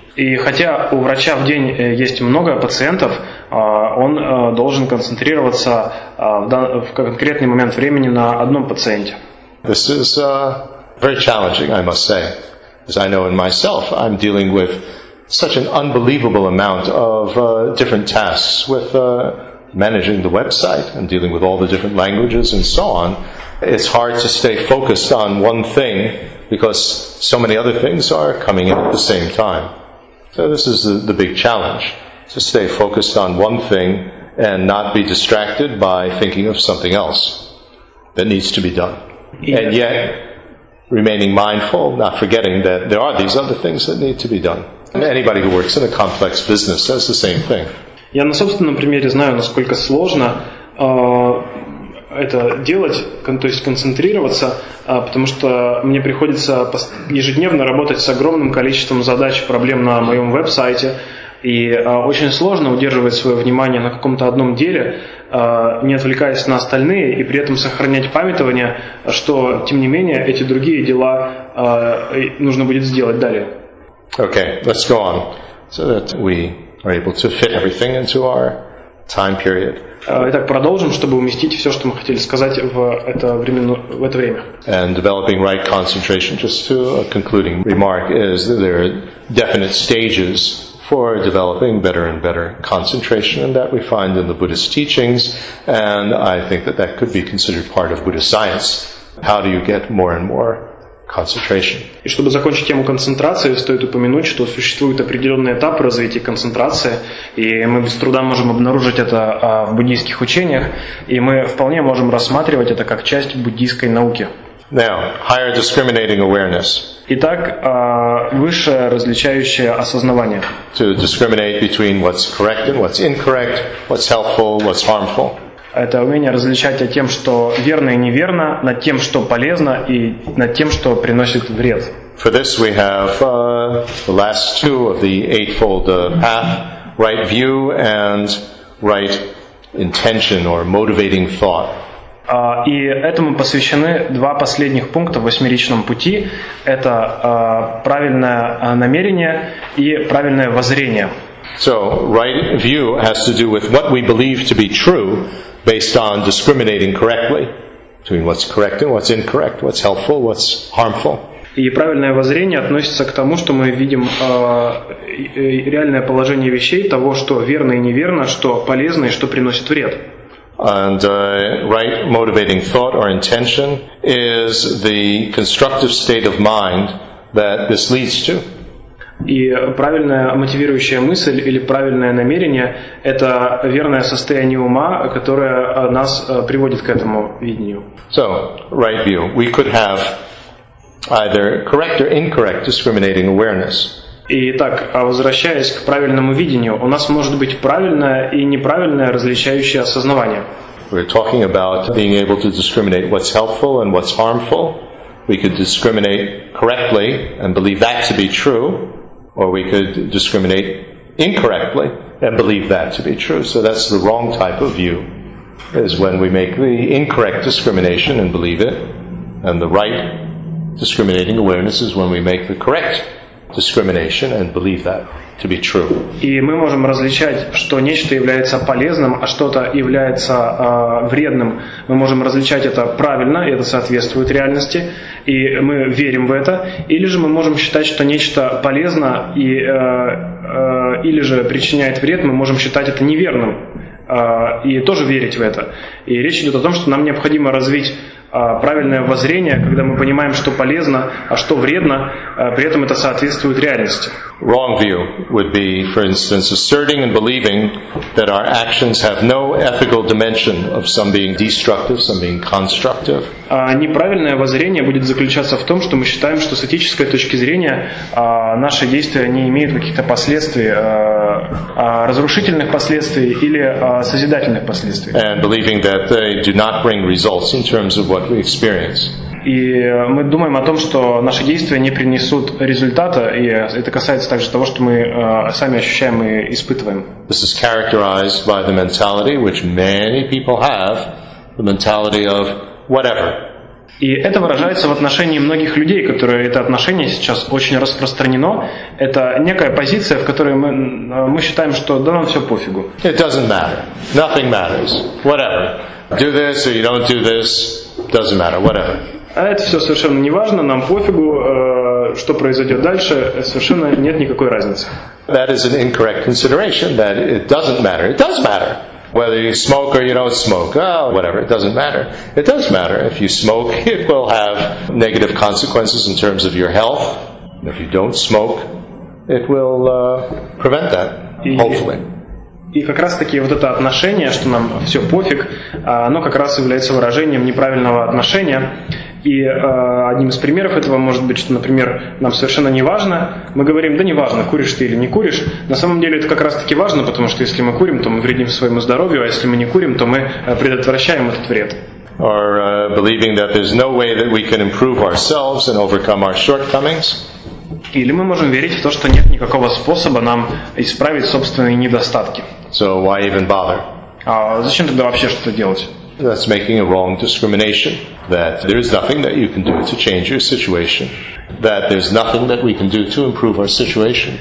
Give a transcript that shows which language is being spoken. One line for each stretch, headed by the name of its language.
Russian: И хотя у врача в день есть много пациентов, он должен концентрироваться в конкретный момент времени на одном пациенте.
English: This is very challenging, I must say. As I know in myself, I'm dealing with such an unbelievable amount of different tasks with managing the website and dealing with all the different languages and so on, it's hard to stay focused on one thing because so many other things are coming in at the same time. So this is the big challenge, to stay focused on one thing and not be distracted by thinking of something else that needs to be done. And yet, remaining mindful, not forgetting that there are these other things that need to be done. And anybody who works in a complex business says the same thing.
Russian: Я на собственном примере знаю, насколько сложно это делать, то есть концентрироваться, потому что мне приходится ежедневно работать с огромным количеством задач, проблем на моем веб-сайте, и очень сложно удерживать свое внимание на каком-то одном деле, не отвлекаясь на остальные, и при этом сохранять памятование, что, тем не менее, эти другие дела нужно будет сделать далее.
English: Okay, let's go on. So that we are able to fit everything into our time period.
Russian: Итак, продолжим, чтобы уместить все, что мы хотели сказать в это время.
English: And developing right concentration, just to a concluding remark, is that there are definite stages for developing better and better concentration, and that we find in the Buddhist teachings, and I think that that could be considered part of Buddhist science. How do you get more and more concentration.
Russian: И чтобы закончить тему концентрации, стоит упомянуть, что существует определенный этап развития концентрации, и мы без труда можем обнаружить это в буддийских учениях, и мы вполне можем рассматривать это как часть буддийской науки.
English: Now, higher discriminating awareness.
Russian: Итак, высшее различающее осознавание.
English: To discriminate between what's correct and what's incorrect, what's helpful, what's harmful.
Russian: Это умение различать о тем, что верно и неверно, над тем, что полезно, и над тем, что приносит вред.
English: For this we have the last two of the eightfold path, right view and right intention or motivating thought.
Russian: И этому посвящены два последних пункта в восьмеричном пути. Это правильное намерение и правильное воззрение.
English: So, right view has to do with what we believe to be true, based on discriminating correctly between what's correct and what's incorrect, what's helpful, what's harmful.
Russian: И правильное воззрение относится к тому, что мы видим реальное положение вещей, того, что верно и неверно, что полезно и что приносит вред.
English: And right motivating thought or intention is the constructive state of mind that this leads to.
Russian: И правильная мотивирующая мысль или правильное намерение – это верное состояние ума, которое нас приводит к этому видению.
English: So, right view. We could have either correct or incorrect discriminating awareness.
Russian: Итак, возвращаясь к правильному видению, у нас может быть правильное и неправильное различающее осознавание.
English: We're talking about being able to discriminate what's helpful and what's harmful. We could discriminate correctly and believe that to be true. Or we could discriminate incorrectly and believe that to be true. So that's the wrong type of view, is when we make the incorrect discrimination and believe it, and the right discriminating awareness is when we make the correct discrimination and believe that to be true.
Russian: И мы можем различать, что нечто является полезным, а что-то является вредным. Мы можем различать это правильно, и это соответствует реальности, и мы верим в это. Или же мы можем считать, что нечто полезно, или же причиняет вред, мы можем считать это неверным, и тоже верить в это. И речь идет о том, что нам необходимо развить правильное воззрение, когда мы понимаем, что полезно, а что вредно, при этом это соответствует реальности.
English: Wrong view would be, for instance, asserting and believing that our actions have no ethical dimension of some being destructive, some being constructive.
Russian: Неправильное воззрение будет заключаться в том, что мы считаем, что с этической точки зрения наши действия не имеют каких-то последствий, разрушительных последствий или созидательных последствий.
English: And believing that they do not bring results in terms of what we experience.
Russian: И мы думаем о том, что наши действия не принесут результата, и это касается также того, что мы сами ощущаем и испытываем.
English: This is characterized by the mentality which many people have, the mentality of whatever.
Russian: И это выражается в отношении многих людей, которые это отношение сейчас очень распространено. Это некая позиция, в которой мы считаем, что да нам все пофигу.
English: It doesn't matter. Nothing matters. Whatever. Do this or you don't do this. Doesn't matter. Whatever.
Russian: А это все совершенно не важно, нам пофигу, что произойдет дальше, совершенно нет никакой разницы.
English: That is an incorrect consideration, that it doesn't matter. It does matter. Whether you smoke or you don't smoke, oh, whatever, it doesn't matter. It does matter. If you smoke, it will have negative consequences in terms of your health. If you don't smoke, it will prevent that, hopefully.
Russian: И как раз-таки вот это отношение, что нам все пофиг, оно как раз является выражением неправильного отношения. И одним из примеров этого может быть, что, например, нам совершенно не важно. Мы говорим, да не важно, куришь ты или не куришь. На самом деле это как раз-таки важно, потому что если мы курим, то мы вредим своему здоровью, а если мы не курим, то мы предотвращаем этот вред.
English: Or believing that there's no way that we can improve ourselves and overcome our shortcomings.
Russian: Или мы можем верить в то, что нет никакого способа нам исправить собственные недостатки.
English: So why even bother?
Russian: А зачем тогда вообще что-то делать?
English: That's making a wrong discrimination. That there is nothing that you can do to change your situation. That there's nothing that we can do to improve our situation.